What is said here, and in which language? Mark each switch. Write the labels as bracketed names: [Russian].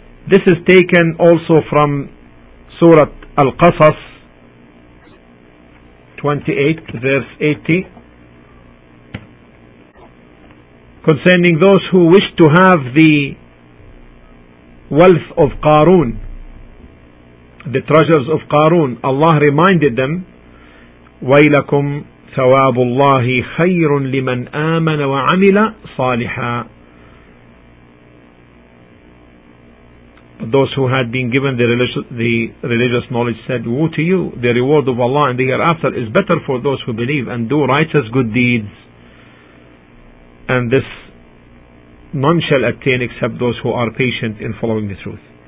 [English] This is taken also from Surah Al-Qasas 28 verse 80 concerning those who wish to have the wealth of Qarun, the treasures of Qarun. Allah reminded them, [Arabic] وَيْلَكُمْ ثَوَابُ اللَّهِ خَيْرٌ لِمَنْ آمَنَ وَعَمِلَ صَالِحًا. [English] Those who had been given the religious knowledge said, woe to you, the reward of Allah in the hereafter is better for those who believe and do righteous good deeds, and this none shall attain except those who are patient in following the truth.